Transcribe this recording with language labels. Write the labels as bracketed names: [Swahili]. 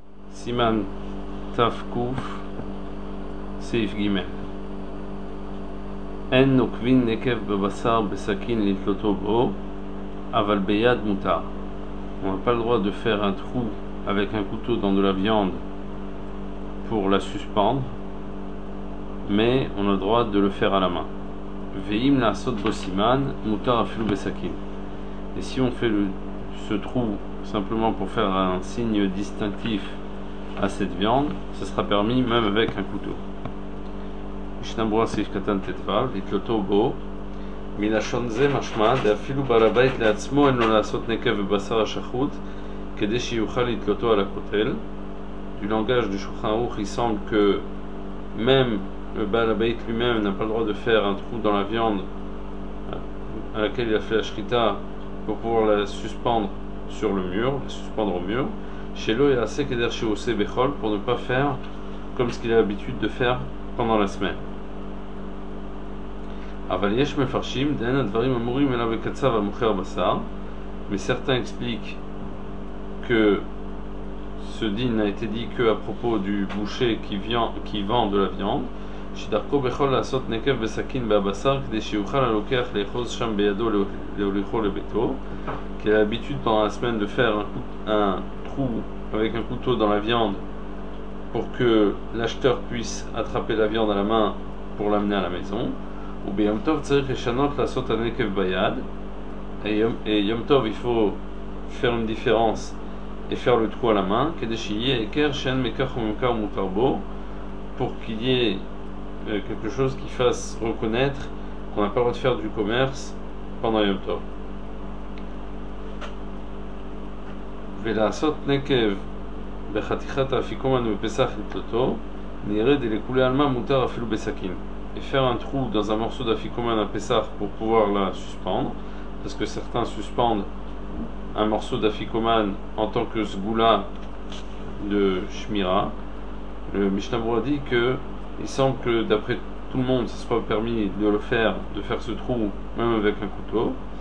[Hebrew] סימן תף קוף סעיף ג' אין נוקבין נקב בבשר בסכין לתלותו בו אבל ביד מותר. [French] On n'a pas le droit de faire un trou avec un couteau dans de la viande pour la suspendre, mais on a le droit de le faire à la main. [Hebrew] Ve'im la'asot bo siman mutar afilu besakin. [French] Et si on fait ce trou simplement pour faire un signe distinctif à cette viande, ce sera permis même avec un couteau. [Hebrew] Mishnah Berurah Sif Katan Tetvav Itloto bo מלשון זה משמע דאפילו בעל הבית לעצמו אין לו לעשות נקב בבשר השחוט כדי שיוכל לתלותו על הכותל. [French] Du langage du Shulchan Aruch, il semble que même le bal habayit lui-même n'a pas le droit de faire un trou dans la viande à laquelle il a fait la shrita pour pouvoir la suspendre sur le mur, la suspendre au mur. [Hebrew] Shelo yaseh keder shehoseh bechol, [French] pour ne pas faire comme ce qu'il a l'habitude de faire pendant la semaine. [Hebrew] אבל יש מפרשים דאין הדברים אמורים אלא בקצב המוכר בשר. [French] Mais certains expliquent que ce din a été dit que à propos du boucher qui vend de la viande. [Hebrew] שדרכו בכל לעשות נקב בסכין בבשר כדי שיוכל הלוקח לאחוז שם בידו להוליכו לביתו. [French] Qui a l'habitude pendant la semaine de faire un trou avec un couteau dans la viande pour que l'acheteur puisse attraper la viande à la main pour l'amener à la maison. [Hebrew] וביום טוב צריך לשנות לעשות הנקב ביד. [French] יום טוב il faut faire une différence et faire le trou à la main [Hebrew] כדי שיהיה היכר שאין מכך וממכר מותר בו, [French] pour qu'il y ait quelque chose qui fasse reconnaître qu'on n'a pas le droit de faire du commerce pendant יום טוב. [Hebrew] ולעשות נקב בחתיכת האפיקומן בפסח לתלותו נראה דלכולי עלמא מותר אפילו בסכין. [French] Et faire un trou dans un morceau d'afikoman à Pessah pour pouvoir la suspendre, parce que certains suspendent un morceau d'afikoman en tant que zgoula de Shmira. Le Mishnah Berurah dit que il semble que d'après tout le monde ce soit permis de le faire, de faire ce trou même avec un couteau.